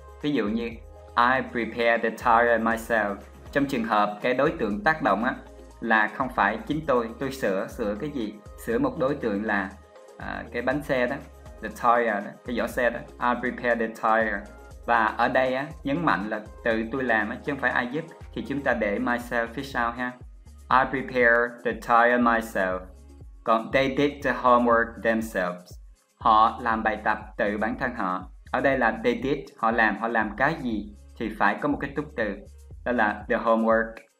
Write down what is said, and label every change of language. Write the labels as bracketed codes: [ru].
[vi] Ví dụ như [en] I prepare the tire myself, [vi] trong trường hợp cái đối tượng tác động á là không phải chính tôi sửa cái gì, sửa một đối tượng là cái bánh xe đó, the tire đó, cái vỏ xe đó. [en] I prepare the tire, [vi] và ở đây á nhấn mạnh là tự tôi làm á, chứ không phải ai giúp, thì chúng ta để myself phía sau ha. [en] I prepare the tire myself. [vi] Còn [en] they did the homework themselves, [vi] họ làm bài tập tự bản thân họ. Ở đây là they did, họ làm cái gì thì phải có một cái túc từ, đó là the homework.